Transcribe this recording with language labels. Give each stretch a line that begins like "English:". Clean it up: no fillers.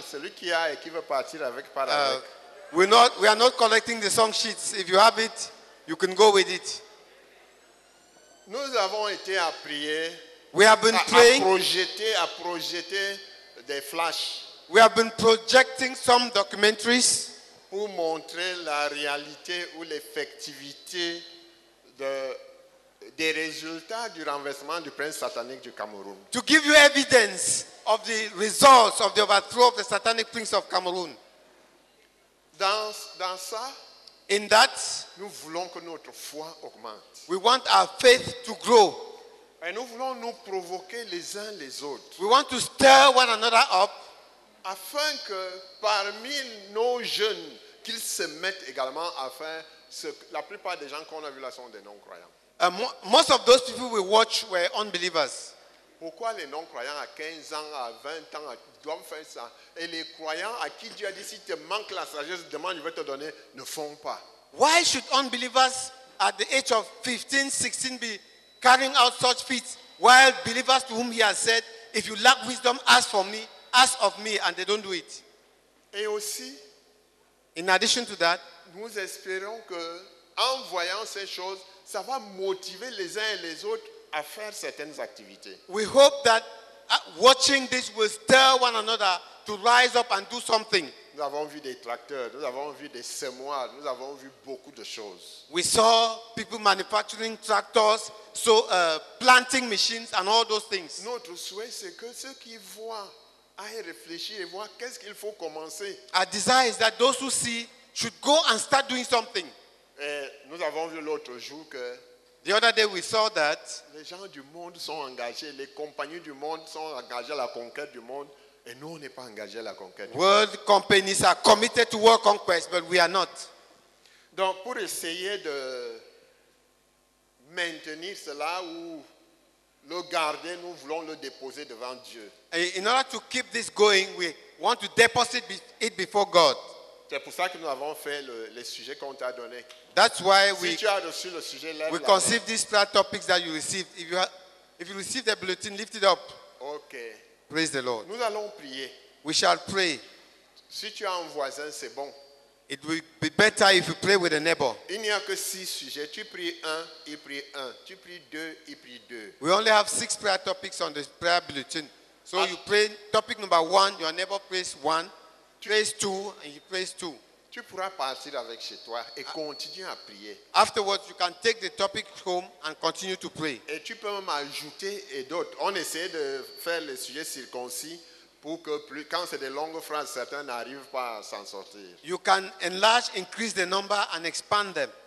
French: Celui qui a et qui veut partir avec, part avec.
English: We are not collecting the song sheets. If you have it, you can go with it.
French: Nous avons été à prier.
English: We have been praying.
French: À projeter des flashs.
English: We have been projecting some documentaries
French: pour montrer la réalité ou l'effectivité des résultats du renversement du prince satanique du Cameroun.
English: To give you evidence of the results of the overthrow of the satanic prince of Cameroun.
French: Dans ça,
English: in that,
French: nous voulons que notre foi augmente.
English: We want our faith to grow.
French: Et nous voulons nous provoquer les uns les autres.
English: We want to stir one another up.
French: Afin que parmi nos jeunes, qu'ils se mettent également à faire ce que la plupart des gens qu'on a vus là sont des non-croyants.
English: Most of those people we watch were unbelievers.
French: Pourquoi les non-croyants à 15 ans, à 20 ans doivent faire ça? Et les croyants à qui Dieu a dit si te manque la sagesse, demande, je vais te donner, ne font pas.
English: Why should unbelievers at the age of 15, 16 be carrying out such feats while believers to whom he has said, if you lack wisdom, ask for me. Ask of me, and they don't do it.
French: Et aussi,
English: in addition to that,
French: nous espérons que, en voyant ces choses, ça va motiver les uns et les autres à faire certaines activités.
English: We hope that watching this will stir one another to rise up and do something.
French: Nous avons vu des tracteurs, nous avons vu des semoirs, nous avons vu beaucoup de choses.
English: We saw people manufacturing tractors, so planting machines, and all those things.
French: Notre souhait, c'est que ceux qui voient aille réfléchir et voir qu'est-ce qu'il faut commencer.
English: Our desire is that those who see should go and start doing something.
French: Et nous avons vu l'autre jour que
English: the other day we saw that
French: les gens du monde sont engagés, les compagnies du monde sont engagées à la conquête du monde et nous on n'est pas engagés à la conquête du
English: world
French: monde.
English: Companies are committed to world conquest but we are not.
French: Donc pour essayer de maintenir cela ou le garder, nous voulons le déposer devant Dieu.
English: In order to keep this going, we want to deposit it before God.
French: C'est pour ça que nous avons fait les sujets qu'on t'a donné.
English: That's why
French: si tu as reçu le sujet, lève la main.
English: We conceive these flat topics that you received. If you receive the bulletin, lift it up. Okay. Praise the Lord.
French: Nous allons prier.
English: We shall pray.
French: Si tu as un voisin, c'est bon.
English: It will be better if you pray with a neighbor.
French: Il n'y a que six sujets. Tu pries un, il prie un. Tu pries deux, il prie deux.
English: We only have six prayer topics on the prayer bulletin. So you pray topic number one, your neighbor prays one, prays two, and he prays two.
French: Tu pourras partir avec chez toi et continuer à prier.
English: Afterwards, you can take the topic home and continue to pray.
French: Et tu peux même ajouter et d'autres. On essaie de faire les sujets circoncis. Pour que plus, quand c'est des longues phrases, certains n'arrivent pas à s'en sortir.
English: You can enlarge, increase the number and expand them.